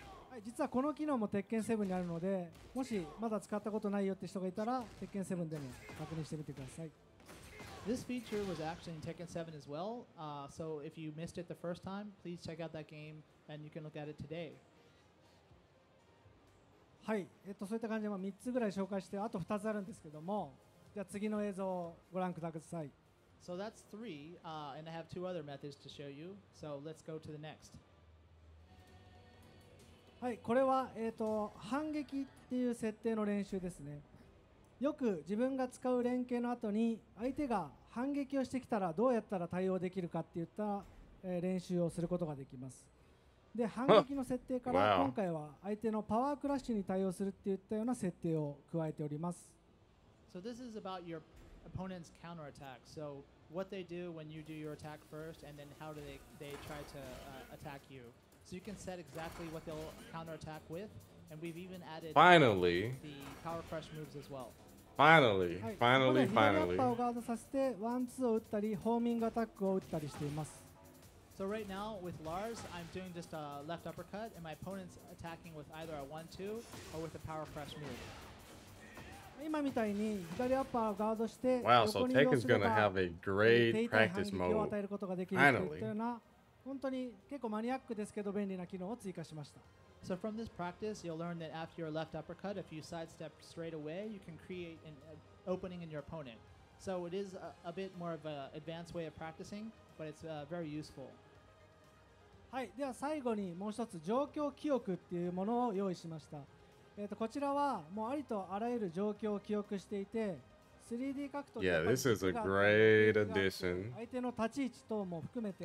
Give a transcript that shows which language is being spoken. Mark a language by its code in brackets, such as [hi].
[ja] はい、実はこの機能も鉄拳7にあるので、もしまだ使ったことないよって人がいたら、鉄拳7でも確認してみてください。 [en] This feature was actually in Tekken 7 as well, so if you missed it the first time, please check out that game and you can look at it today. [ja] はい、そういった感じで3つぐらい紹介して、あと2つあるんですけども、じゃあ次の映像をご覧ください。 [en] So that's three, and I have two other methods to show you, so let's go to the next. [ja] はい、これは、反撃っていう設定の練習ですね。よく自分が使う連携の後に相手が反撃をしてきたらどうやったら対応できるかって言った練習をすることができます。で、反撃の設定から今回は相手のパワークラッシュに対応するって言ったような設定を加えております。 [en] So this is about your opponent's counterattack. So what they do when you do your attack first and then how do they try to attack you. So you can set exactly what they'll counterattack with. And we've even added finally, the power crush moves as well. Finally, finally, finally. [ja] ここでヒールアッパーをガードさせて、ワンツーを打ったり、ホーミングアタックを打ったりしています。 [en] So right now, with Lars, I'm doing just a left uppercut, and my opponent's attacking with either a 1-2 or with a power crush move. [ja] 今みたいに左アッパーをガードして、 [en] Wow, so Tekken's gonna have a great practice mode. Finally. [ja] 本当に結構マニアックですけど、便利な機能を追加しました。 [en] So from this practice, you'll learn that after your left uppercut, if you sidestep straight away, you can create an opening in your opponent. So it is a bit more of an advanced way of practicing, but it's very useful. [ja] はい、では最後にもう一つ状況記憶っていうものを用意しました。こちらはもうありとあらゆる状況を記憶していて、3D 格闘。 [en] Yeah, this is a great addition. [ja] 相手の立ち位置等も含めて。